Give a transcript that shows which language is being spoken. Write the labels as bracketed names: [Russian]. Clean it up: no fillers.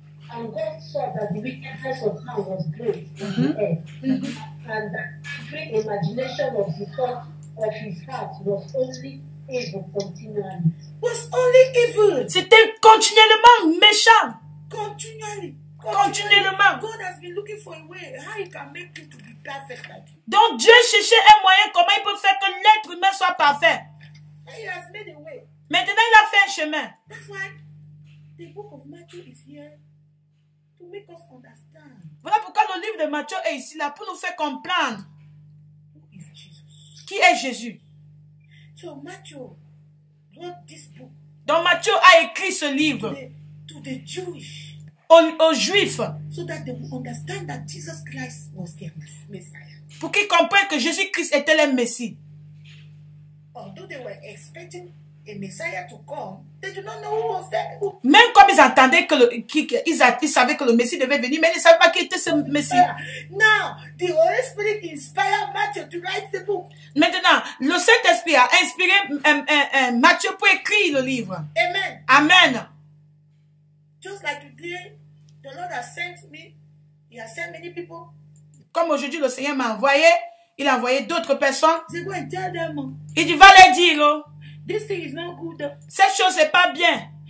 [English] And God saw that the wickedness of man was great in the earth, and that every imagination of the thought of his heart was only evil continually. Was only evil. [French] C'était continuellement méchant. [English] Continually. [French] Continuellement. [English] God has been looking for a way how he can make you to be perfect like you. [French] Donc Dieu cherchait un moyen comment il peut faire que l'être humain soit parfait. [English] He has made a way. [French] Maintenant il a fait un chemin. [English] That's why the book of Matthew is here to make us understand. [French] Voilà pourquoi le livre de Matthieu est ici là pour nous faire comprendre. [English] Who is Jesus? [French] Qui est Jésus? [English] So Matthew wrote this book. [French] Donc Matthieu a écrit ce livre. [English] To the Jewish. [French] Aux Juifs. [English] So that they will understand that Jesus Christ was their Messiah. [French] Pour qu'ils comprennent que Jésus-Christ était leur Messie. [English] Although they were expecting a Messiah to come, they did not know who was there. [French] Même comme ils attendaient que ils savaient que le Messie devait venir, mais ils ne savaient pas qui était ce Messie. [English] Now, the Holy Spirit inspired Matthew to write the book. [French] Maintenant, le Saint-Esprit a inspiré Matthieu pour écrire le livre. Amen. Amen. [English] Just like today, the Lord has sent me. He has sent many people. [French] Comme aujourd'hui, le Seigneur m'a envoyé. Il a envoyé d'autres personnes. C'est quoi, [English] tell them. [French] Il dit, va les dire. [English] This thing is not good. [French] Cette chose n'est pas bien.